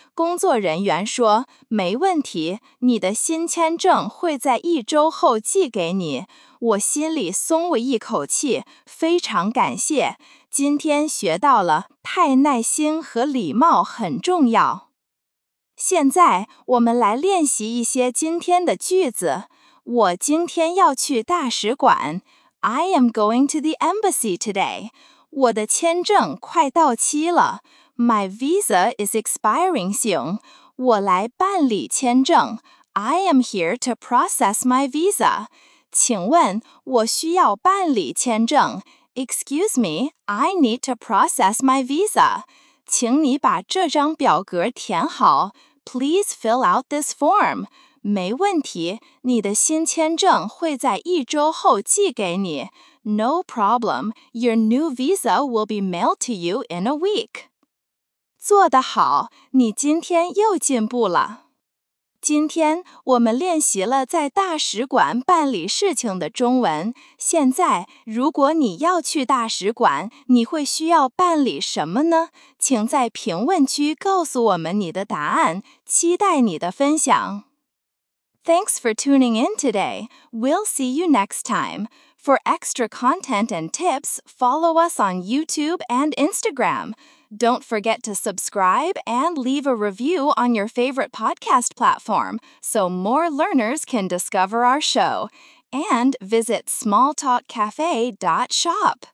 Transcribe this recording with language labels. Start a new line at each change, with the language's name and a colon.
Chinese: 工作人员说，没问题，你的新签证会在一周后寄给你。我心里松了一口气，非常感谢。今天学到了，太耐心和礼貌很重要。现在，我们来练习一些今天的句子。我今天要去大使馆。
English: I am going to the embassy today.
Chinese: 我的签证快到期了。
English: My visa is expiring soon.
Chinese: 我来办理签证。
English: I am here to process my visa.
Chinese: 请问，我需要办理签证。
English: Excuse me, I need to process my visa.
Chinese: 请你把这张表格填好。
English: Please fill out this form.
Chinese: 没问题，你的新签证会在一周后寄给你。
English: No problem, your new visa will be mailed to you in a week.
Chinese: 做得好，你今天又进步了。今天我们练习了在大使馆办理事情的中文。现在，如果你要去大使馆，你会需要办理什么呢？请在评论区告诉我们你的答案，期待你的分享。
English: Thanks for tuning in today. We'll see you next time. For extra content and tips, follow us on YouTube and Instagram. Don't forget to subscribe and leave a review on your favorite podcast platform so more learners can discover our show. And visit smalltalkcafe.shop.